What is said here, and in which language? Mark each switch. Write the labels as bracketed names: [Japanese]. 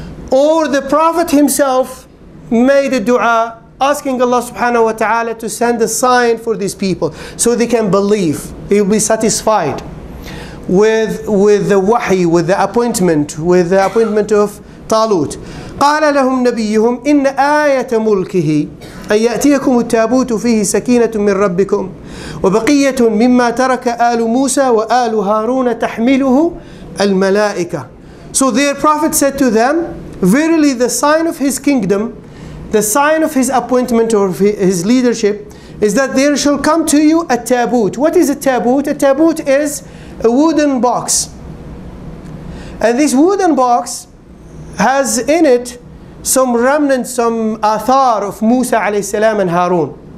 [English] Or the Prophet himself made a dua asking Allah subhanahu wa ta'ala to send a sign for these people so they can believe. They will be satisfied with the wahi, with the appointment, with the appointment of Talut. [Arabic] قال لهم نبيهم إن آية ملكه أن يأتيكم التابوت فيه سكينة من ربكم وبقية مما ترك آل موسى وآل هارون تحمله الملائكة. [English] So their prophet said to them, verily the sign of his kingdom, the sign of his appointment or his leadership, is that there shall come to you a tabut. What is a tabut? A tabut is a wooden box. And this wooden box has in it some remnants, some athar of Musa alayhi salam and Harun.